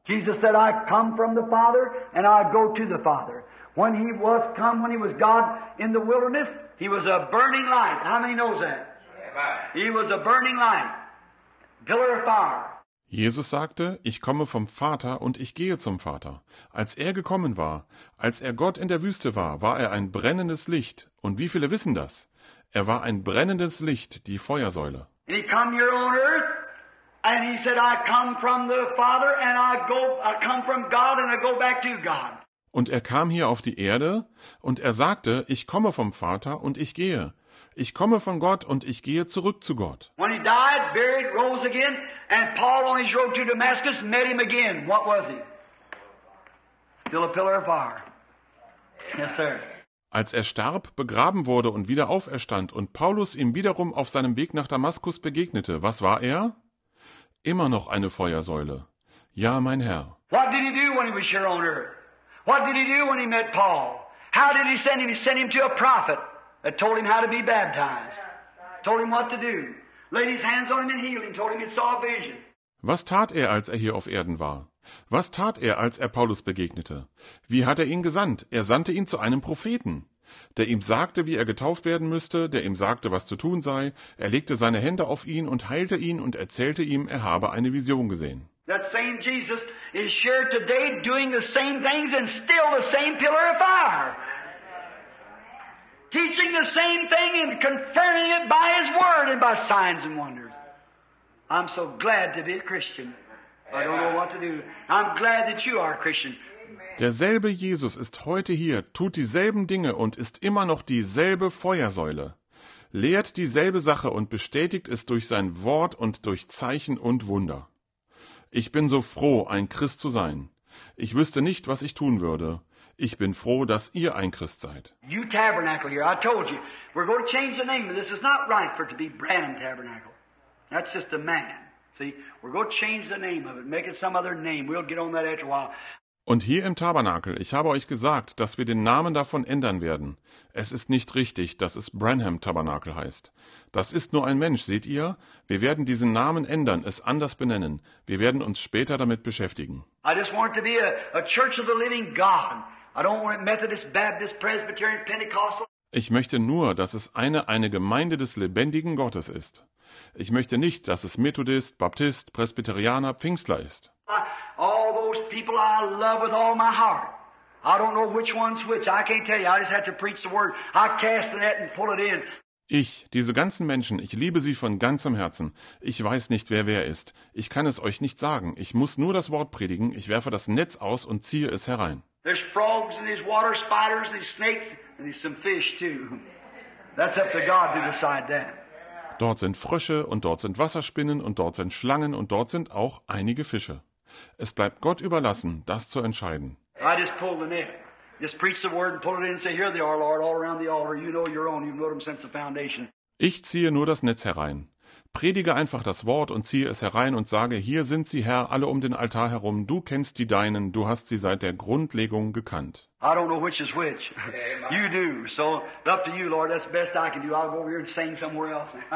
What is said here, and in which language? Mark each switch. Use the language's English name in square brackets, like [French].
[English] Jesus said, I come from the Father and I go to the Father. When he was come, when he was God in the wilderness, he was a burning light. How many knows that? He was a burning light. Pillar of fire. [German] Jesus sagte, ich komme vom Vater und ich gehe zum Vater. Als er gekommen war, als er Gott in der Wüste war, war er ein brennendes Licht. Und wie viele wissen das? Er war ein brennendes Licht, die Feuersäule. [English] And he come here on earth and he said, I come from the Father and I go, I come from God and I go back to God. [German] Und er kam hier auf die Erde, und er sagte, ich komme vom Vater und ich gehe. Ich komme von Gott und ich gehe zurück zu Gott. [English] When he died, buried, rose again, and Paul on his road to Damascus met him again. What was he? Still a pillar of fire. Yes, sir. [German] Als er starb, begraben wurde und wieder auferstand und Paulus ihm wiederum auf seinem Weg nach Damaskus begegnete, was war er? Immer noch eine Feuersäule. Ja, mein Herr. [English] What did he do when he was here on earth? What did he do when he met Paul? How did he send him? He sent him to a prophet that told him how to be baptized. Told him what to do. Laid his hands on him and healed him. Told him he saw a vision. [German] Was tat er, als er hier auf Erden war? Was tat er, als er Paulus begegnete? Wie hat er ihn gesandt? Er sandte ihn zu einem Propheten, der ihm sagte, wie er getauft werden müsste, der ihm sagte, was zu tun sei. Er legte seine Hände auf ihn und heilte ihn und erzählte ihm, er habe eine Vision gesehen. [English] That same Jesus is here today doing the same things and still the same pillar of fire. Teaching the same thing and confirming it by his word and by signs and wonders. I'm so glad to be a Christian. I don't know what to do. I'm glad that you are a Christian. [German] Derselbe Jesus ist heute hier, tut dieselben Dinge und ist immer noch dieselbe Feuersäule. Lehrt dieselbe Sache und bestätigt es durch sein Wort und durch Zeichen und Wunder. Ich bin so froh, ein Christ zu sein. Ich wüsste nicht, was ich tun würde. Ich bin froh, dass ihr ein Christ seid. [English] You tabernacle here, I told you. We're going to change the name. This is not right for it to be Branham Tabernacle. That's just a man. See, we're going to change the name of it. Make it some other name. We'll get on that after a while. [German] Und hier im Tabernakel, ich habe euch gesagt, dass wir den Namen davon ändern werden. Es ist nicht richtig, dass es Branham Tabernakel heißt. Das ist nur ein Mensch, seht ihr? Wir werden diesen Namen ändern, es anders benennen. Wir werden uns später damit beschäftigen. [English] I just want it to be a church of the living God. I don't want it Methodist, Baptist, Presbyterian, Pentecostal. [German] Ich möchte nur, dass es eine Gemeinde des lebendigen Gottes ist. Ich möchte nicht, dass es Methodist, Baptist, Presbyterianer, Pfingstler ist. [English] People I love with all my heart. I don't know which one's which. I can't tell you. I just have to preach the word. I cast the net and pull it in. [German] Ich, diese ganzen Menschen, ich liebe sie von ganzem Herzen. Ich weiß nicht, wer ist. Ich kann es euch nicht sagen. Ich muss nur das Wort predigen. Ich werfe das Netz aus und ziehe es herein. [English] There's frogs and these water spiders and these snakes and there's some fish too. That's up to God to decide that. [German] Dort sind Frösche und dort sind Wasserspinnen und dort sind Schlangen und dort sind auch einige Fische. Es bleibt Gott überlassen, das zu entscheiden. [English] I just pull the net. Just preach the word and pull it in and say, here they are, Lord, all around the altar. You know your own. You've known them since the foundation. [German] Ich ziehe nur das Netz herein. Predige einfach das Wort und ziehe es herein und sage, hier sind sie, Herr, alle um den Altar herum. Du kennst die Deinen. Du hast sie seit der Grundlegung gekannt. [English] I don't know which is which. You do. So up to you, Lord. That's the best I can do. I'll go over here and sing somewhere else.